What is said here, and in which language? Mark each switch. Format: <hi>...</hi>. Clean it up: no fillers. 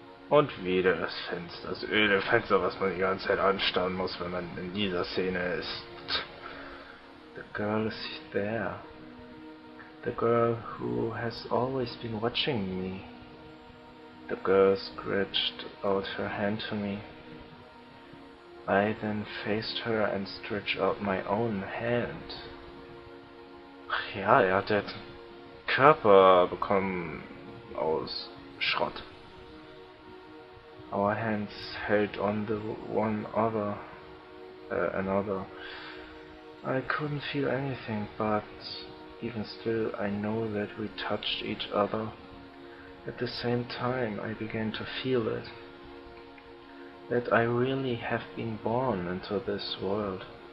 <de>Und wieder das Fenster, das öde Fenster, was man die ganze Zeit anstarren muss, wenn man in dieser Szene ist.</de> <en>The girl is there. The girl who has always been watching me. The girl stretched out her hand to me. I then faced her and stretched out my own hand.</en> <de>Ach ja, hat jetzt Körper bekommen aus Schrott.</de> <en>Our hands held on the one other, another. I couldn't feel anything, but... Even still, I know that we touched each other. At the same time, I began to feel it. That I really have been born into this world.</en>